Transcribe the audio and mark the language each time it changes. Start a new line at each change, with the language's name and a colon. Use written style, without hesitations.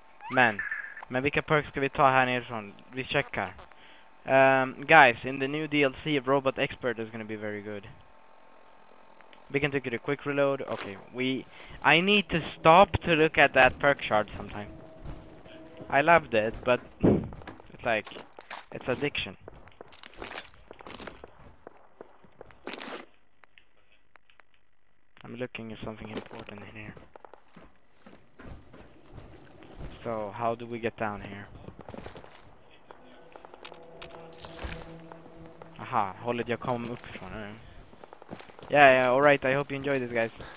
Swedish: Men vilka perks ska vi ta här nerifrån? Vi checkar.
English: Guys, in the new DLC, Robot Expert is gonna be very good. We can take it a quick reload. Okay, I need to stop to look at that perk shard sometime. I loved it, but it's like, it's addiction. I'm looking at something important in here. So, how do we get down here?
Swedish: Aha, hållet jag kom uppifrån nu.
English: Yeah, alright, I hope you enjoyed this, guys.